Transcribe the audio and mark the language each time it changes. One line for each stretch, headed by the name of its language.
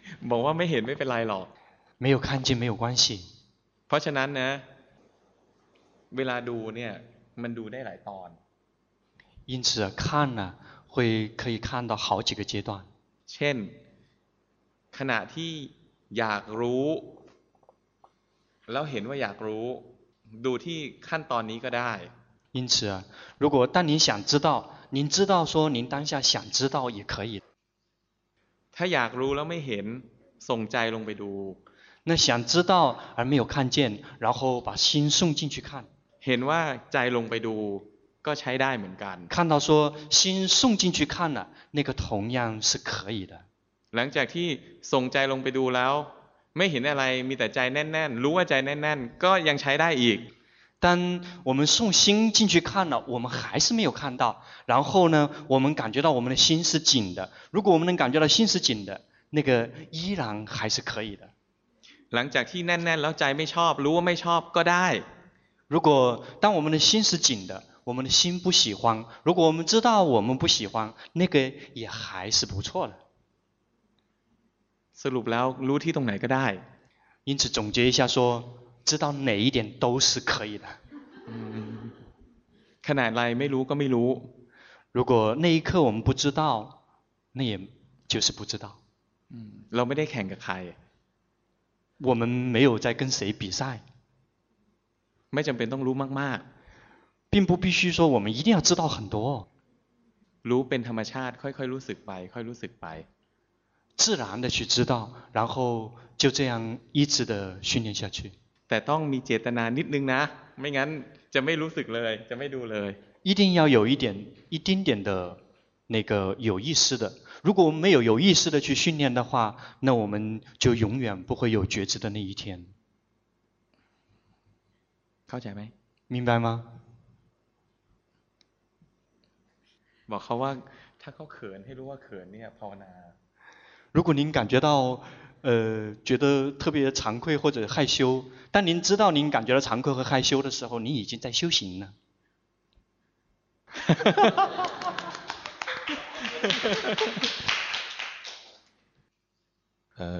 Thai: บอกว่าไม่เห็นไม่เป็นไรหรอก
Chinese: 没有看见没有关系
Thai: เพราะฉะนั้นนะเวลาดูเนี่ยมันดูได้หลายตอน
Chinese: 因此看呢会可以看到好几个阶段
Thai: เช่นขณะที่อยากรู้แล้วเห็นว่าอยากรู้ดูที่ขั้นตอนนี้ก็ได้
Chinese: 因此如果当您想知道您知道说您当下想知道也可以
Thai: ถ้าอยากรู้แล้วไม่เห็นส่งใจลงไปดู
Chinese: 那想知道而没有看见然后把心送进去看
Thai: เห็นว่าใจลงไปดูก็ใช้ได้เหมือนกัน
Chinese: 看到说心送进去看了那个同样是可以的
Thai: หลังจากที่ส่งใจลงไปดูแล้วไม่เห็นอะไรมีแต่ใจแน่นๆรู้ว่าใจแน่นๆก็ยังใช้ได้อีก
Chinese: 但我们送心进去看了，我们还是没有看到，然后呢我们感觉到我们的心是紧的，如果我们能感觉到心是紧的，那个依然还是可以的。
Thai: หลังจากที่แน่นๆแล้วใจไม่ชอบรู้ว่าไม่ชอบก็ได้
Chinese: 如果当我们的心是紧的，我们的心不喜欢，如果我们知道我们不喜欢，那个也还是不错的。
Thai: สรุปแล้วรู้ที่ตรงไหนก็ได้
Chinese: 因此总结一下说，知道哪一点都是可以的。
Thai: ขนาดไรไม่รู้ก็ไม่รู้
Chinese: 如果那一刻我们不知道，那也就是不知道。
Thai: เราไม่ได้แข่งกับใคร
Chinese: 我们没有在跟谁比赛。
Thai: ไม่จำเป็นต้องรู้มากๆ
Chinese: 并不必须说我们一定要知道很多。
Thai: รู้เป็นธรรมชาติค่อยๆรู้สึกไปค่อยรู้สึกไป
Chinese: 自然的去知道，然后就这样一直的训练下去。
Thai: แต่ต้องมีเจตนานิดนึงนะไม่งั้นจะไม่รู้สึกเลยจะไม่ดูเลย
Chinese: 一定要有一丁点的那个有意识的。如果我们没有有意识的去训练的话，那我们就永远不会有觉知的那一天。
Thai: เข้าใจไ หม
Chinese: 明白吗？
Thai: บอกเขาว่าถ้าเขาเขินให้รู้ว่าเขินเนี่ยภาวนา
Chinese: 如果您感觉到觉得特别惭愧或者害羞，但您知道您感觉到惭愧和害羞的时候，您已经在修行了。